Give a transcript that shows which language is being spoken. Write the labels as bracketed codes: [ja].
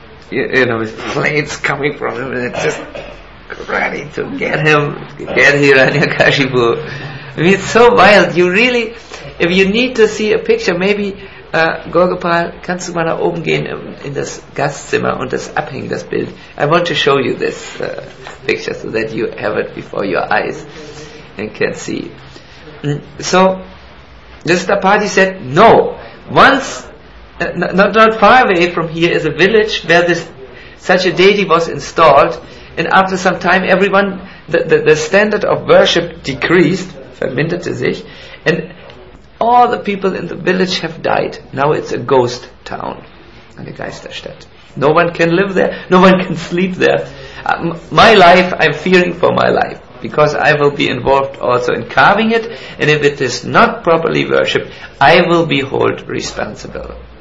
[en] You know, with flames coming from him and just ready to get him, get Hiranyakashipu. I mean, it's so wild. You really, if you need to see a picture, maybe [de] Gaugopal, kannst du mal nach oben gehen in das Gastzimmer und das abhängen, das Bild. [en] I want to show you this picture so that you have it before your eyes and can see. So the Stapati said, no, once not far away from here is a village where this such a deity was installed, and after some time everyone, the standard of worship decreased, [de] verminderte sich, [en] and all the people in the village have died. Now it's a ghost town, [de] eine Geisterstadt. [en] No one can live there, no one can sleep there. My life, I'm fearing for my life, because I will be involved also in carving it, and if it is not properly worshipped, I will be held responsible.